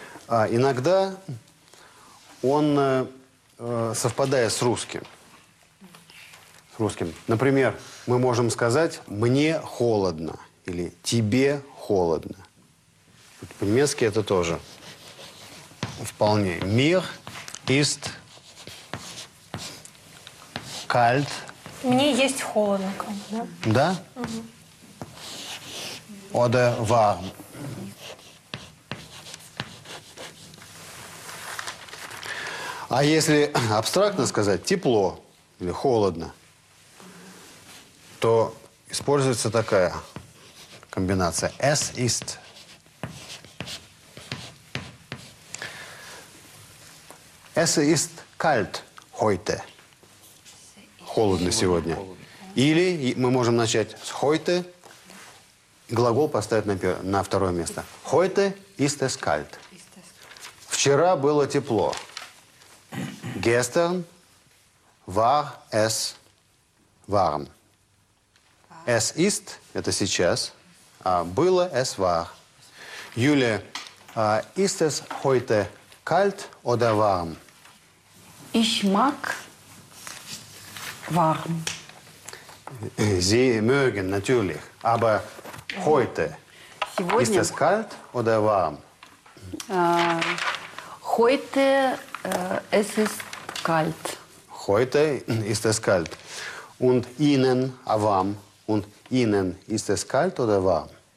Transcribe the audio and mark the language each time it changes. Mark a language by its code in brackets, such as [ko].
[ru] А иногда он совпадает с русским. С русским. Например, мы можем сказать «мне холодно» или «тебе холодно». По-немецки это тоже вполне. [de] «Мир ist kalt». [ru] «Мне есть холодно». Да? Да? Угу. [de] «Oder warm». [ru] А если абстрактно сказать «тепло» или «холодно», то используется такая комбинация. [de] «Es ist». «Es ist kalt heute». [ru] «Холодно сегодня». Или мы можем начать с «heute». Глагол поставить на второе место. [de] «Heute ist es kalt». [ru] «Вчера было тепло». [de] Gestern war es warm. [ru] Es ist – это сейчас, а было – es war. [de] Юлия, ist es heute kalt oder warm? Ich mag warm. Sie mögen, natürlich. Aber heute – ist es kalt oder warm? Heute es ist kalt. Heute ist es kalt. Und Ihnen, [ru] а вам? [de] Und Ihnen ist es kalt oder warm?